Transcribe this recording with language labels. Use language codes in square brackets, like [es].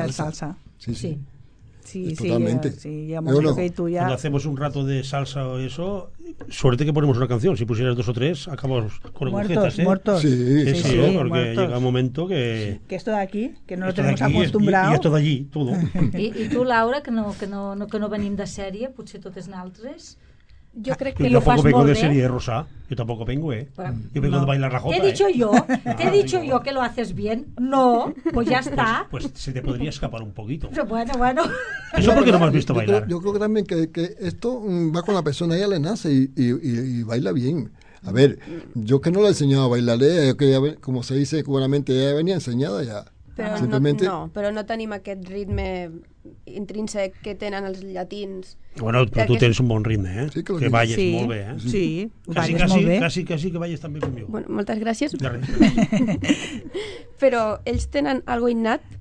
[es] De la salsa. Sí. Sí, totalmente. Ya. Cuando hacemos un rato de salsa o eso, suerte que ponemos una canción. Si pusieras dos o tres, acabamos con agujetas, ¿eh? Muertos. Sí, porque muertos. Llega un momento que. Sí. Que esto de aquí, que no lo tenemos acostumbrado. Y esto de allí, todo. Y tú, [ca] Laura, que no venim de sèrie, potser totes naltres. [es] Yo creo que yo lo pasó. Yo tampoco vengo de serie, Rosa. Yo tampoco vengo, ¿eh? Pero, yo vengo de bailar la jota. ¿Te he dicho yo? ¿Te he dicho yo que lo haces bien? No, pues ya está. Pues se te podría escapar un poquito. Bueno. ¿Eso porque no me has visto bailar? Yo creo también que esto va con la persona, ella le nace y baila bien. A ver, yo que no le he enseñado a bailar, como se dice cubanamente, ella venía enseñada ya. Pero simplemente... [ca] No, però no tenim aquest ritme intrínsec que tenen els llatins. Bueno, però tu tens un bon ritme, eh? Sí, que balles molt bé, eh? Sí, quasi que balles també com jo. Bueno, moltes gràcies. Però ells tenen algo innat?